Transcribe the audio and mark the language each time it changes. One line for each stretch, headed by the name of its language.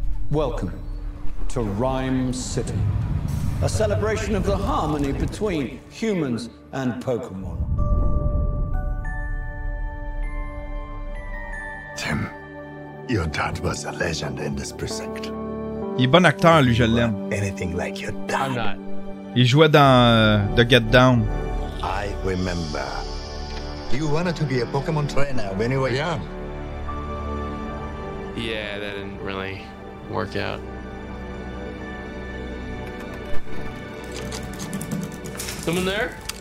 English: Welcome to Rhyme City, a celebration of the harmony between humans and Pokémon. Tim. Your dad was a legend in this precinct.
French: Il est bon acteur, lui, je l'aime.
English: Anything like your dad. I'm not.
French: Il jouait dans The Get Down.
English: I remember. You wanted to be a Pokémon trainer when you were young. Yeah, that didn't really work out. Someone there?